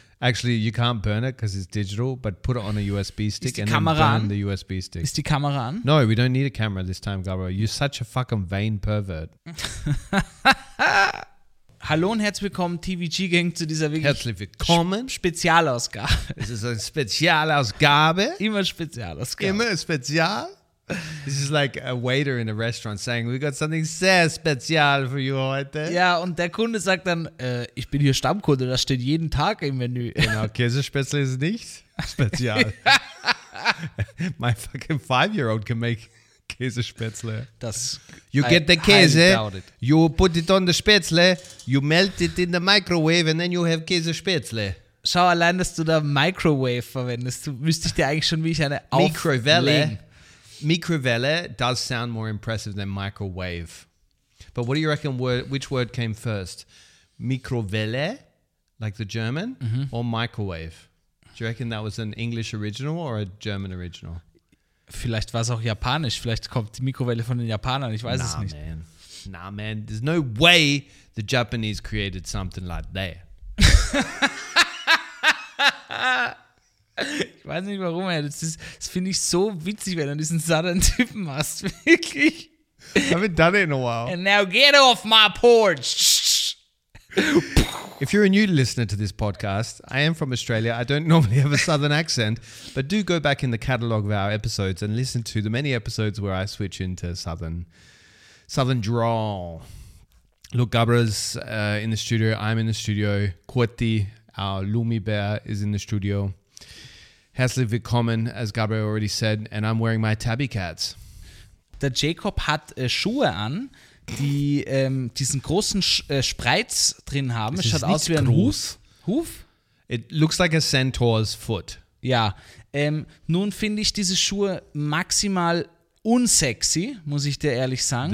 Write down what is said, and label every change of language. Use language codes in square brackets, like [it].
[en] Actually, you can't burn it because it's digital, but put it on a USB stick and then burn [de] an? [en] The USB stick. [de] Ist die Kamera an? [en] No, we don't need a camera this time, Gabriel. You're such a fucking vain pervert. [de] Hallo und herzlich willkommen, TVG-Gang, zu dieser wirklich herzlich willkommen. Spezialausgabe. Es ist eine Spezialausgabe. Immer Spezialausgabe. Immer Spezial. [en] This is like a waiter in a restaurant saying, we got something [de] sehr spezial [en] for you [de] heute. Ja, und der Kunde sagt dann, ich bin hier Stammkunde, das steht jeden Tag im Menü. Genau, Käsespätzle ist nichts. Spezial. [en] My fucking 5-year-old can make Käsespätzle. [de] Das, [en] you get the Käse, you put it on the Spätzle, you melt it in the microwave and then you have Käsespätzle. [de] Schau, allein, dass du da Microwave verwendest, wüsste ich dir eigentlich schon, wie ich eine [en] Mikrowelle. Mikrowelle does sound more impressive than microwave. But what do you reckon, which word came first? Mikrowelle, like the German, or microwave? Do you reckon that was an English original or a German original? [de] Vielleicht war es auch japanisch, vielleicht kommt die Mikrowelle von den Japanern, ich weiß es nicht. [en] Nah, man, there's no way the Japanese created something like that. [de] Ich weiß nicht warum, ey. Das finde ich so witzig, wenn du diesen Southern Typen machst, wirklich. [en] I haven't done it in a while. And now get off my porch. If you're a new listener to this podcast, I am from Australia. I don't normally have a southern accent, but do go back in the catalogue of our episodes and listen to the many episodes where I switch into southern drawl. Look, Gabra's in the studio. I'm in the studio. Kurti, our Lumi Bear, is in the studio. [de] Herzlich willkommen, [en] as Gabra already said, and I'm wearing my tabby cats. [de] Der Jacob hat Schuhe an, die diesen großen Spreiz drin haben. Es schaut aus wie ein groß. Huf. [en] It looks like a centaur's foot. [de] Ja. Nun finde ich diese Schuhe maximal unsexy, muss ich dir ehrlich sagen.